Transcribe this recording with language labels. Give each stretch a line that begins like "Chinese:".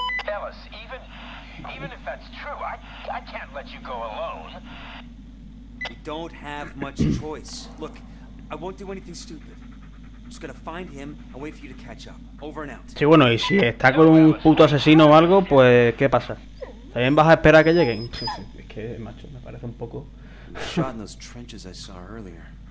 English: Alice, even if that's true, I can't let you go alone. We don't have much choice. Look. I won't do anything stupid. I'm just gonna find him and wait for you to catch up. Over and out.
Spanish: Sí, bueno, y si está con un puto asesino o algo, pues ¿qué pasa? ¿También vas a esperar a que lleguen? Es que, macho, me parece un poco.
English: Shot in those trenches I saw earlier.